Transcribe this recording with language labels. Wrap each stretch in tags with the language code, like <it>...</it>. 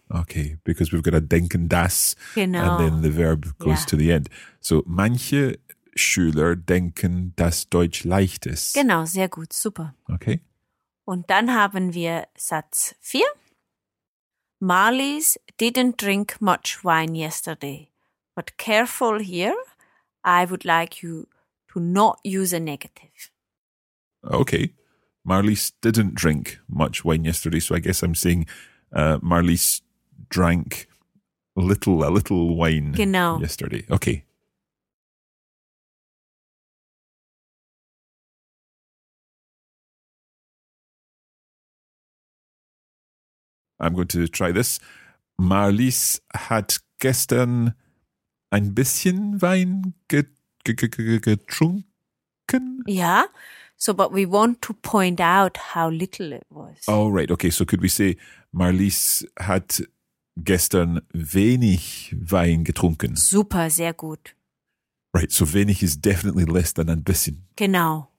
<en>Okay, because we've got a denken, dass,</en> <de>genau.</de> <en>And then the verb goes to the end.</en> <de>So, manche Schüler denken, dass Deutsch leicht ist. Genau, sehr gut, super.</de> <en>Okay.</en> <de>Und dann haben wir Satz 4.</de> <en>Marlies didn't drink much wine yesterday. But careful here, I would like you to not use a negative. Okay, Marlies didn't drink much wine yesterday, so I guess I'm saying Marlies drank a little wine genau. Yesterday. Okay. I'm going to try this.</en> <de>Marlies hat gestern ein bisschen Wein getrunken?</de> <en>Yeah. So, but we want to point out how little it was. Oh, right. Okay. So, could we say</en> <de>Marlies hat gestern wenig Wein getrunken? Super. Sehr gut.</de> <en>Right. So, wenig is definitely less than ein bisschen.</en> <de>Genau.</de>